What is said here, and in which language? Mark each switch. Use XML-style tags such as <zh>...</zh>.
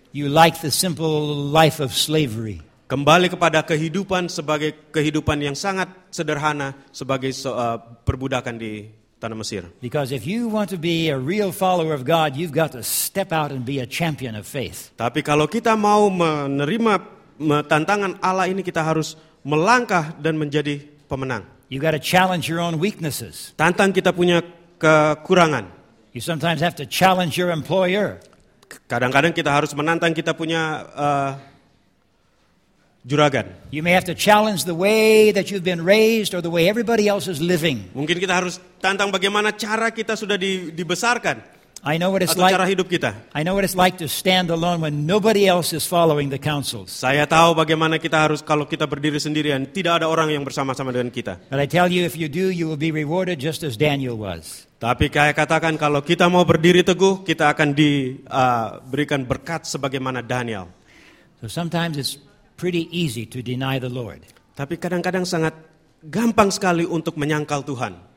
<en>You like the simple life of slavery.</en> <id>Kembali kepada kehidupan sebagai kehidupan yang sangat sederhana sebagai perbudakan di tanah Mesir.</id> <en>Because if you want to be a real follower of God, you've got to step out and be a champion of faith.</en> <id>Tapi kalau kita mau menerima tantangan Allah ini, kita harus melangkah dan menjadi pemenang.</id> <en>You got to challenge your own weaknesses.</en> <id>Tantang kita punya kekurangan.</id> <en>You sometimes have to challenge your employer.</en> <id>Kadang-kadang kita harus menantang kita punya juragan.</id> <en>You may have to challenge the way that you've been raised or the way everybody else is living.</en> <id>Mungkin kita harus tantang bagaimana cara kita sudah dibesarkan.</id> <en>I know what it's</en> <id>atau</id> <en>like.</en> <id>Cara hidup kita.</id> <en>I know what it's like to stand alone when nobody else is following the counsels.</en> <id>Saya tahu bagaimana kita harus kalau kita berdiri sendirian, tidak ada orang yang bersama-sama dengan kita.</id> <en>But I tell you, if you do, you will be rewarded just as Daniel was.</en> <id>Tapi saya katakan kalau kita mau berdiri teguh, kita akan diberikan berkat sebagaimana Daniel.</id> <en>So sometimes it's pretty easy to deny the Lord.</en> <id>Tapi kadang-kadang sangat gampang sekali untuk menyangkal Tuhan.</id>